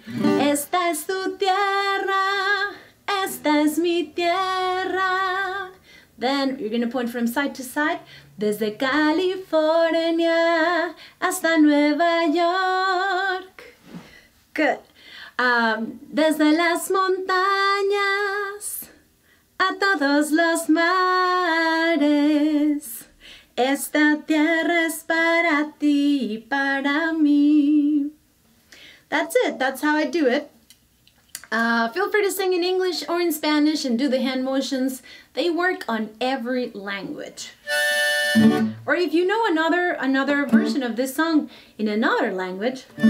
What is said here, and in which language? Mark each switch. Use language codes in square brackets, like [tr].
[es] Esta es tu tierra, esta es mi tierra. [en] Then you're gonna point from side to side. [es] Desde California hasta Nueva York. Good. Desde las montañas a todos los mares. Esta tierra es para ti y para mí. [en] That's it. That's how I do it. Feel free to sing in English or in Spanish and do the hand motions. They work on every language. Or if you know another version of this song in another language.